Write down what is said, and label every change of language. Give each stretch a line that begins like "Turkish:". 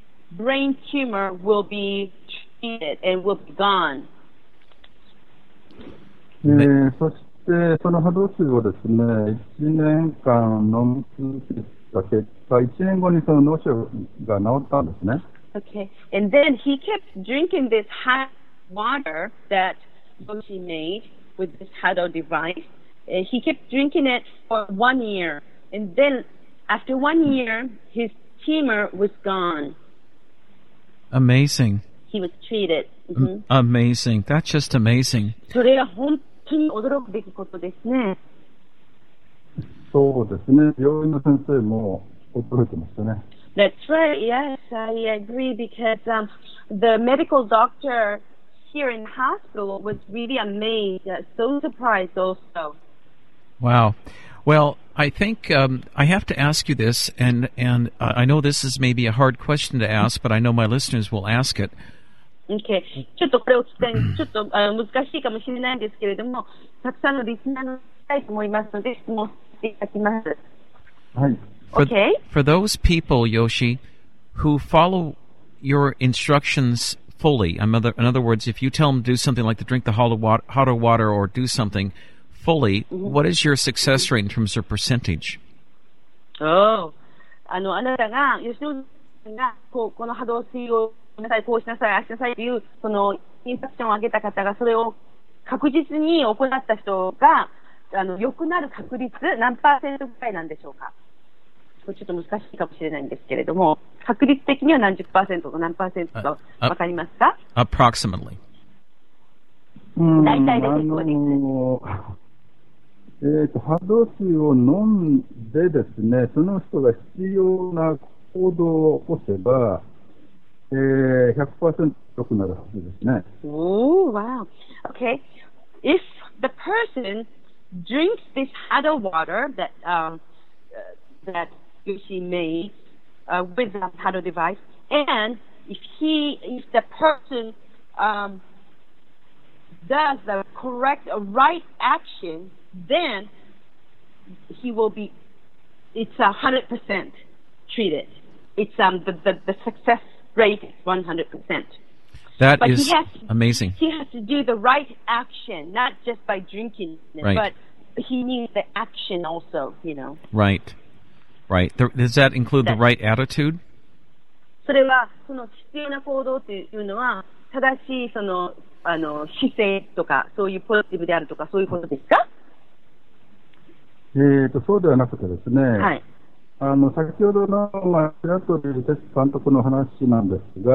English: brain tumor will be treated and will be gone.
Japanese: そしてその波動数をですね、1年間飲み続けた結果、1年後にその脳腫が治ったんですね。
English: Okay. And then he kept drinking this hot water that Roshi made with this Hado device. And he kept drinking it for 1 year. And then after 1 year, his tumor was gone. Amazing. He was treated. Mm-hmm. Amazing. That's just amazing.
Japanese: それは本当に驚くべきことですね。そうですね。病院の先生も驚いてましたね。
English: That's right, yes, I agree, because the medical doctor here in the hospital was really amazed, so surprised also. Wow. Well, I think I have to ask you this, and I know this is maybe a hard question to ask, but I know my listeners will ask it. Okay.
Japanese: ちょっとこれを聞きたい、ちょっと難しいかもしれないんですけれども、たくさんのリスナーに聞きたいと思いますので、質問していただきます。はい。
English: For those people, Yoshi, who follow your instructions fully, in other words, if you tell them to do something like to drink the hotter water or do something fully, mm-hmm. what is your success rate in terms of percentage?
Japanese: Oh, あの、あなたが、吉野さんがこう、この波動水をなさい、こうしなさい、あしなさいというそのインパクションを上げた方が、それを確実に行った人が、あの、良くなる確率、何パーセントぐらいなんでしょうか? ちょっと難しいかもしれないんですけれども、確率的には何十パーセントと何パーセントか分かりますか
English: ？Approximately。
Japanese: 大体で結構です。波動水を飲んでですね、その人が必要な行動を起こせば、100% 良くなるはずですね。おー、わー。
English: Okay. If the person drinks this Hado water that Yoshi made with a paddle device, and if the person does the correct right action, then he will be, it's 100% treated. It's the success rate is 100%. That but is amazing. He has to do the right action, not just by drinking it, right. But he needs the action also, you know. Right. Right. Does that include the right attitude?
Japanese: それはその必要な行動というのは正しいそのあの姿勢とかそういうポジティブであるとかそういうことですか？そうではなくてですね。はい。あの先ほどのまあ白鳥哲監督の話なんですが、